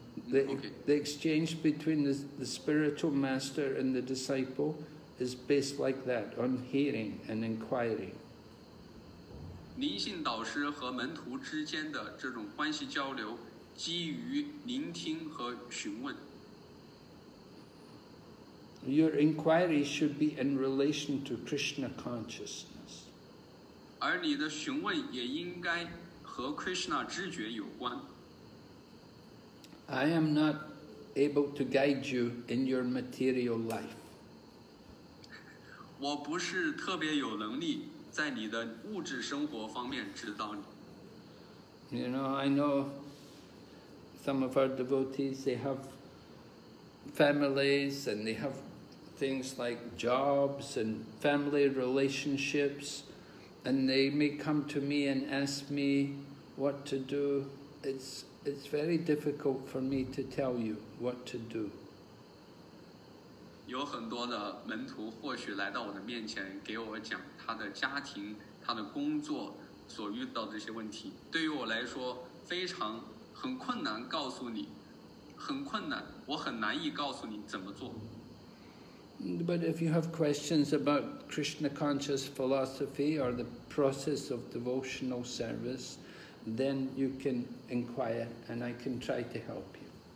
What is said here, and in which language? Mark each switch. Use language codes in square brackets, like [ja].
[en] The exchange between the spiritual master and the disciple is based like that on hearing and inquiry. [zh] 灵性导师和门徒之间的这种关系交流，基于聆听和询问。 [en] Your inquiry should be in relation to Krishna consciousness. [zh] 而你的询问也应该和 Krishna 知觉有关。 [en] I am not able to guide you in your material life. [zh] 我不是特别有能力在你的物质生活方面指导你。 [en] You know, I know some of our devotees, they have families and they have things like jobs and family relationships, and they may come to me and ask me what to do. It's very difficult for me to tell you what to do. [zh] 有很多的门徒或许来到我的面前，给我讲他的家庭、他的工作所遇到的这些问题。对于我来说，很困难告诉你，很困难，我很难以告诉你怎么做。 [en] But if you have questions about Krishna conscious philosophy or the process of devotional service, then you can inquire and I can try to help you.